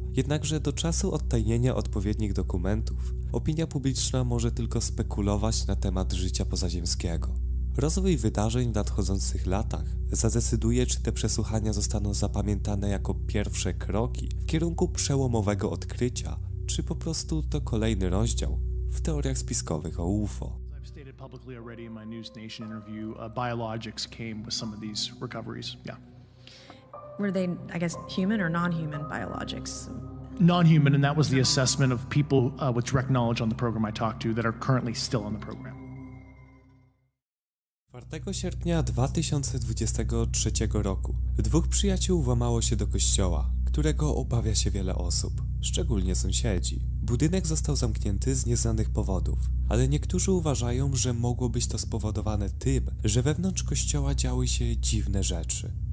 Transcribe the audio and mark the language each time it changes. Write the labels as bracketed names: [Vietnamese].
[Polish] Jednakże do czasu odtajnienia odpowiednich dokumentów, opinia publiczna może tylko spekulować na temat życia pozaziemskiego. Rozwój wydarzeń w nadchodzących latach zadecyduje, czy te przesłuchania zostaną zapamiętane jako pierwsze kroki w kierunku przełomowego odkrycia, czy po prostu to kolejny rozdział w teoriach spiskowych o UFO. [English] Publicly already in my News Nation interview, biologics came with some of these recoveries. Yeah. Were they, I guess, human or non-human biologics? Non-human, and that was the assessment of people with direct knowledge on the program I talked to that are currently still on the program. [Polish] 4 sierpnia 2023 roku dwóch przyjaciół włamało się do kościoła, którego obawia się wiele osób, szczególnie sąsiedzi. Budynek został zamknięty z nieznanych powodów, ale niektórzy uważają, że mogło być to spowodowane tym, że wewnątrz kościoła działy się dziwne rzeczy.